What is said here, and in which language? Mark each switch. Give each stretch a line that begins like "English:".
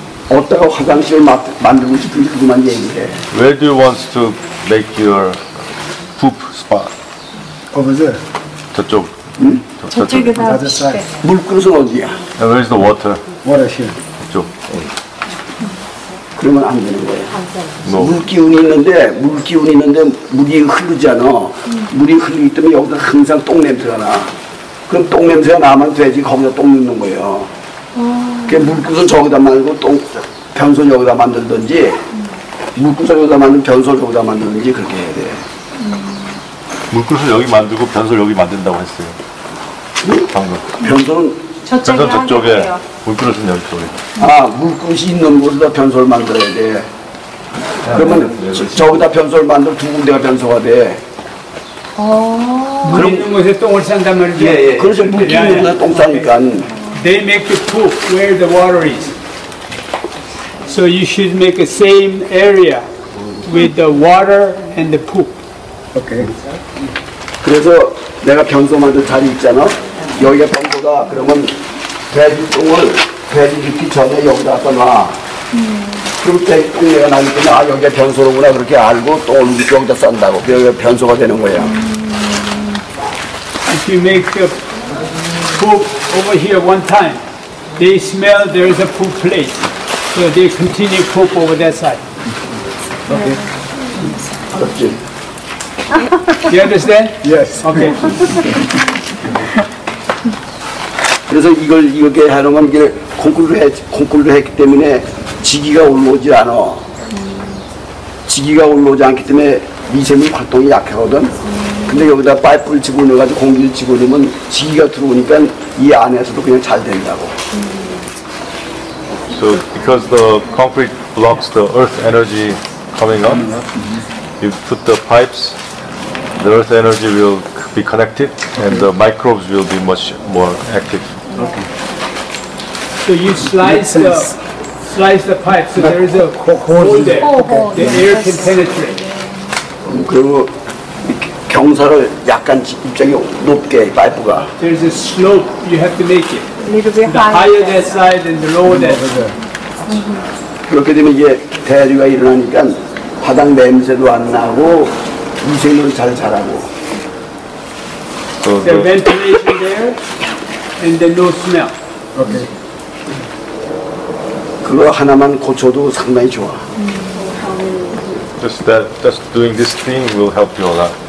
Korean: 어디가 화장실 만들고 싶은지 그것만 얘기해.
English: Where do you want to make your poop spot? Over there.
Korean: 저쪽. 저쪽에서. 물 끓어서 어디야?
English: And where is the water? Water here.
Korean: 저쪽. 그러면 안 되는 거예요.
English: No.
Korean: 물기운이 있는데 물이 흐르잖아. 물이 흐르기 때문에 여기서 항상 똥 냄새가 나. 그럼 똥 냄새가 나면 돼지 거기서 똥 넣는 거예요. 물구석 저기다 말고 똥 변소 여기다 만들든지 물구석 여기다 만든 변소 저기다 만들든지 그렇게 해야 돼. 물구석 여기 만들고 변소 여기 만든다고 했어요. 방금. 변소는 변소 저쪽에 물구석은 여기 쪽에. 아 물구석이 있는 곳에다 변소를 만들어야 돼. 그러면 저기다 변소를 만들 두 군데가 변소가 돼. 물 있는 곳에 똥을 싼단 말이죠. 예예. 그래서 물기 있는 곳에 똥 싸니까.
English: They make the poop where the water is. So you should make the same area with the water and the poop. Okay.
Korean: 그래서 내가 변소 만들 자리 있잖아. 여기가 변소다. 그러면 돼지 똥을 돼지 짓기 전에 여기다 떠놔. 그럼 돼지 똥 내가 나니까 아 여기가 변소로구나 그렇게 알고 똥을 여기다 싼다고. 여기가 변소가 되는 거야.
English: If you make the poop over here one time, they smell there is a poop place, so they continue poop over that side. Okay. Do you understand? Yes. Okay.
Korean: 그래서 이걸 이렇게 하는 건 콘크리트 했기 때문에 지기가 올라오지 않아. 지기가 올라오지 않기 때문에 미세먼지 활동이 약하거든. 근데 여기다 파이프를 집어넣어가지고 공기를 집어넣으면 지기가 들어오니까 이 안에서도 그냥 잘 된다고.
English: So because the concrete blocks the earth energy coming up, you put the pipes, the earth energy will be connected and the microbes will be much more active. Okay. So you slice the pipe, so there is a hole there. The air can penetrate.
Korean: 그리고 경사를 약간 입장이 높게 파이프가.
English: There's a slope you have to make it. The higher that side and the lower that.
Korean: 그렇게 되면 이제 대류가 일어나니까 바닥 냄새도 안 나고 미생물 잘 자라고.
English: So the ventilation there. And then no smell. Okay.
Korean: 그거 하나만 고쳐도 상당히 좋아.
English: Just that, just doing this thing will help you a lot.